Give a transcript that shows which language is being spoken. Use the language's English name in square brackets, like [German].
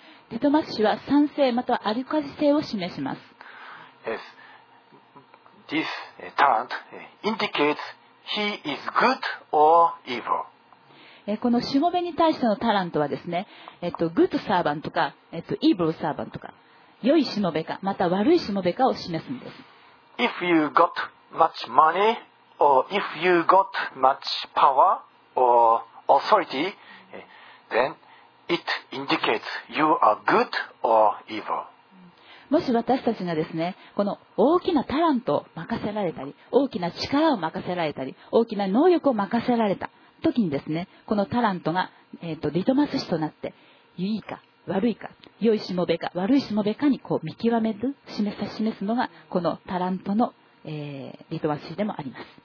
[Japanese] リトマス紙は酸性またはアルカリ性を示します。 [English] Yes. This talent indicates he is good or evil. [Japanese] このしもべに対してのタラントはですね、 [English] good servant [Japanese] か、 [English] evil servant [Japanese] か、良いしもべか、また悪いしもべかを示すんです。 [English] If you got much money, or if you got much power or authority, then it indicates you are good or evil. [Japanese] もし私たちがですね、この大きなタラントを任せられたり、大きな力を任せられたり、大きな能力を任せられた時にですね、このタラントが、リトマス紙となって、いいか悪いか、良いしもべか悪いしもべかにこう見極める、示すのが、このタラントの、リトマス紙でもあります。